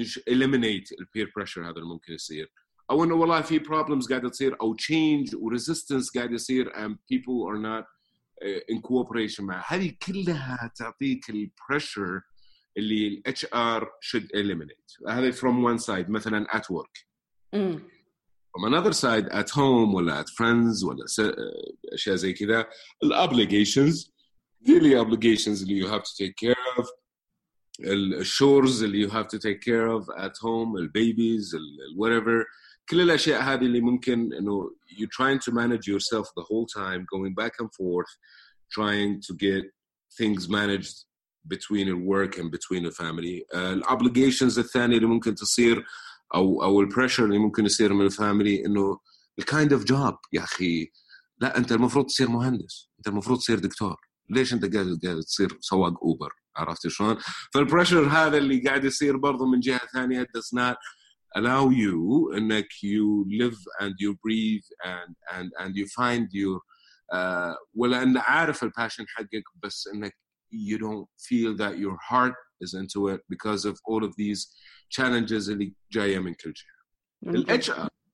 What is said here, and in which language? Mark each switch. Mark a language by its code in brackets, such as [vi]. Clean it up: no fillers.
[en] eliminate the peer pressure [ar] هذا اللي ممكن يصير او انه والله في [en] problems [ar] قاعده تصير او [en] change or resistance [ar] قاعده يصير [en] and people are not in cooperation [ar] مع هذه كلها تعطيك ال [en] pressure اللي ال HR should eliminate هذا from one side [ar] مثلا [en] at work. From another side, at home ولا at friends [ar] ولا أشياء زي كذا, [en] the obligations, daily obligations اللي you have to take care of, the chores اللي you have to take care of at home, the babies, whatever, [ar] كل الأشياء هذه اللي ممكن إنه [en] you're trying to manage yourself the whole time, going back and forth, trying to get things managed between the work and between the family. [ar] The obligations الثانية اللي ممكن تصير أو البريشر اللي ممكن يصير من الفاميلي إنه الكايند أوف جوب يا أخي لا أنت المفروض تصير مهندس, أنت المفروض تصير دكتور, ليش أنت قاعد تصير سواق أوبر؟ عرفت شلون؟ فالبريشر هذا اللي قاعد يصير برضو من جهة ثانية [en] does not allow you and like you live and you breathe and you find your [ar] ولأن عارف الباشن حقك بس إنك [en] you don't feel that your heart is into it because of all of these challenges [ar] اللي جاية من كل جهة.